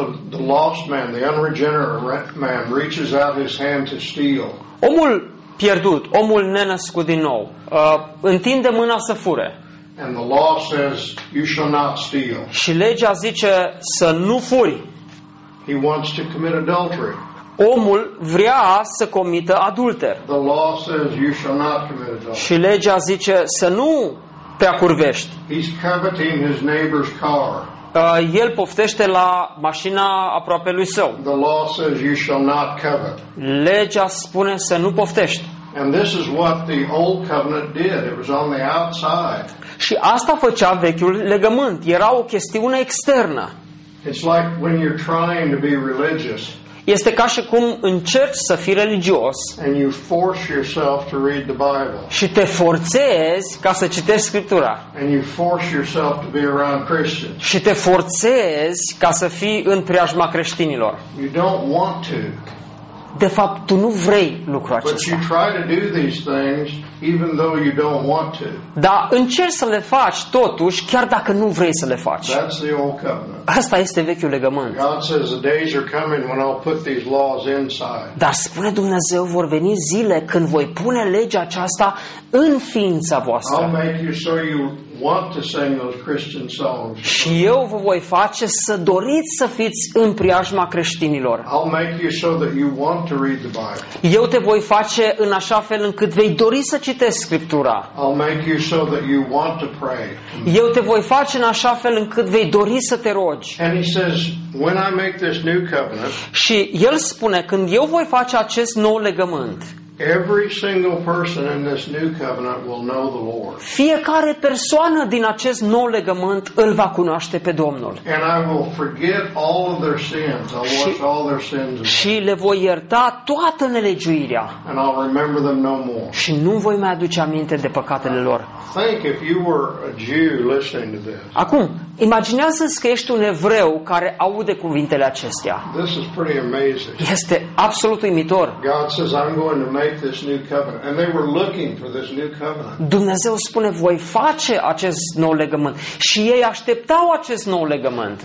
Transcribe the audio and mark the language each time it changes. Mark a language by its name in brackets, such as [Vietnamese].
[English] The lost man, the unregenerate man reaches out his hand to steal. [Romanian] Omul pierdut, omul nenăscut din nou, întinde mâna să fure. [English] And the law says you shall not steal. [Romanian] Și legea zice să nu furi. [English] He wants to commit adultery. [Romanian] Omul vrea să comită adulter. [English] The law says you shall not commit adultery. [Romanian] Și legea zice să nu te acurvești. [English] He's coveting his neighbor's car. [Romanian] El poftește la mașina aproape lui său. [English] The law says you shall not covet. [Romanian] Legea spune să nu poftești. [English] And this is what the old covenant did. It was on the outside. [Romanian] Și asta făcea vechiul legământ. Era o chestiune externă. [English] It's like when you're trying to be religious. [Romanian] Este ca și cum încerci să fii religios. [English] And you force yourself to read the Bible. [Romanian] Și te forțezi ca să citești Scriptura. [English] And you force yourself to be around Christians. [Romanian] Și te forțezi ca să fii în preajma creștinilor. [English] You don't want to. [Romanian] De fapt, tu nu vrei lucrul acesta. [English] But you try to do these things even though you don't want to. [Romanian] Dar încerci să le faci totuși, chiar dacă nu vrei să le faci. [English] That's the old covenant. [Romanian] Asta este vechiul legământ. [English] God says the days are coming when I'll put these laws inside. [Romanian] Dar spune Dumnezeu, vor veni zile când voi pune legea aceasta în ființa voastră. [English] I'll make you so you want to sing those Christian songs. [Romanian] Și eu vă voi face să doriți să fiți în preajma creștinilor. [English] I'll make you so that you want to read the Bible. [Romanian] Eu te voi face în așa fel încât vei dori să citești Scriptura. [English] I'll make you so that you want to pray. [Romanian] Eu te voi face în așa fel încât vei dori să te rogi. [English] And he says, when I make this new covenant, [Romanian] și el spune, când eu voi face acest nou legământ, [English] every single person in this new covenant will know the Lord. [Romanian] Fiecare persoană din acest nou legământ îl va cunoaște pe Domnul. [English] And I will forget all of their sins. I'll wash all their sins away. [Romanian] Și le voi ierta toată nelegiuirea. [English] And I'll remember them no more. [Romanian] Și nu voi mai aduce aminte de păcatele lor. [English] Think if you were a Jew listening to this. [Romanian] Acum, imaginează-ți că ești un evreu care aude cuvintele acestea. [English] This is pretty amazing. [Romanian] Este absolut uimitor. [English] God says I'm going to make this new covenant, and they were looking for this new covenant. [Romanian] Dumnezeu spune voi face acest nou legământ și ei așteptau acest nou legământ.